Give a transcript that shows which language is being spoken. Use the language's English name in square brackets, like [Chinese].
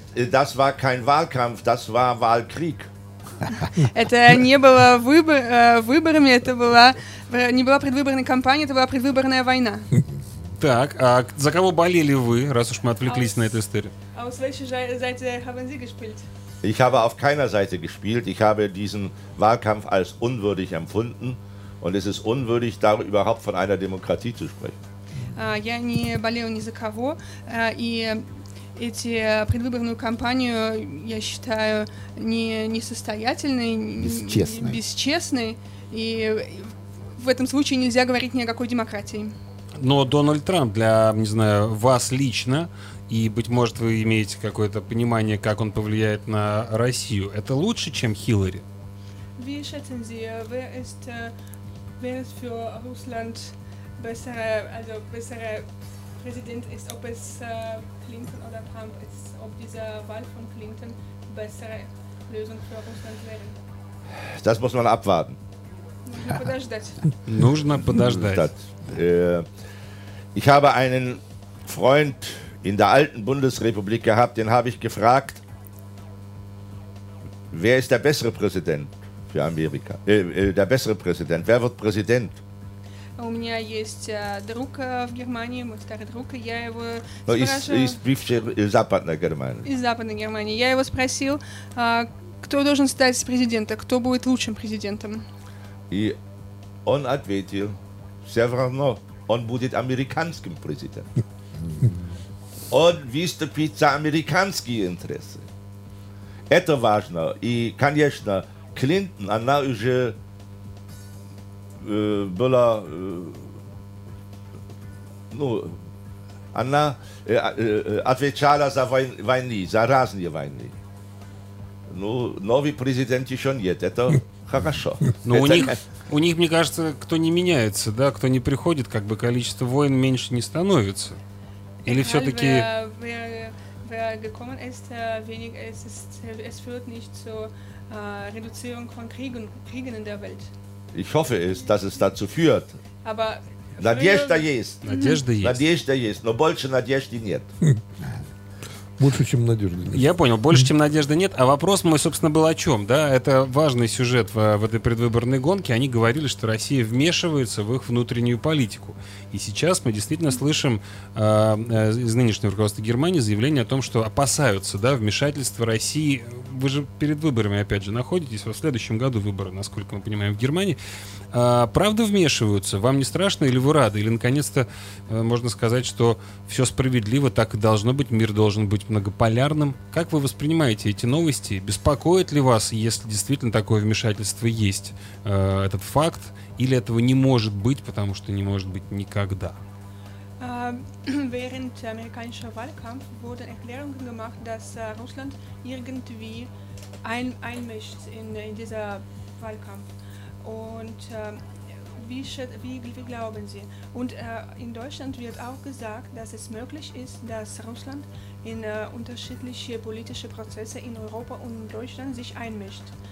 [German] Das war kein Wahlkampf, das war Wahlkrieg. [Russian] Это не было выборами, это была не была предвыборная кампания, это была предвыборная война. Так, а за кого болели вы, раз уж мы отвлеклись на эту историю? [German] Auf welcher Seite haben Sie gespielt? Ich habe auf keiner Seite gespielt. Ich habe diesen Wahlkampf als unwürdig empfunden. Und es ist unwürdig, da überhaupt von einer Demokratie zu sprechen. [Russian] Я не болел ни за кого. И эти предвыборную кампанию я считаю несостоятельной, бесчестной. И в этом случае нельзя говорить ни о какой демократии. Но Дональд Трамп для, не знаю, вас лично, и, быть может, вы имеете какое-то понимание, как он повлияет на Россию, это лучше, чем Хиллари? [German] Wie schätzen Sie, wer ist für Russland bessere, also bessere Präsident ist, ob es Clinton oder Trump ist, ob diese Wahl von Clinton bessere Lösung für Russland wäre? Das muss man abwarten. [Russian] Нужно подождать. [German] Ich habe einen Freund in der alten Bundesrepublik gehabt, den habe ich gefragt, wer ist der bessere Präsident für Amerika? Der bessere Präsident, wer wird Präsident? [Russian] У меня есть друг в Германии, мой старый друг, и я его из Западной Германии. Я его спросил, кто должен стать президентом, кто будет лучшим президентом? И он ответил: все равно, он будет американским президентом. Он выступит за американские интересы. Это важно. И, конечно, Клинтон, она уже была, ну, она отвечала за войны, за разные войны. Ну, новый президент еще нет, это хорошо. Но у них, мне кажется, кто не меняется, да, кто не приходит, как бы количество войн меньше не становится. Или все-таки... [German] Ich hoffe es, dass es dazu führt. Aber [Russian] Надежда есть. Надежда есть. Надежда есть, но больше надежды нет. Больше, чем надежды нет. Я понял, больше, чем надежды нет. А вопрос мой, собственно, был о чем? Да, это важный сюжет в этой предвыборной гонке. Они говорили, что Россия вмешивается в их внутреннюю политику. И сейчас мы действительно слышим из нынешнего руководства Германии заявление о том, что опасаются, да, вмешательства России. Вы же перед выборами, опять же, находитесь. Во следующем году выборы, насколько мы понимаем, в Германии. Правда вмешиваются? Вам не страшно или вы рады? Или, наконец-то, можно сказать, что все справедливо, так и должно быть, мир должен быть многополярным? Как вы воспринимаете эти новости? Беспокоит ли вас, если действительно такое вмешательство есть, этот факт? Или этого не может быть, потому что не может быть никогда? [German] Während der amerikanischen Wahlkampf wurden Erklärungen gemacht, dass Russland irgendwie einmischt in dieser Wahlkampf. Und wie glauben Sie? Und in Deutschland wird auch gesagt, dass es möglich ist, dass Russland in unterschiedliche politische Prozesse in Europa und in Deutschland sich einmischt.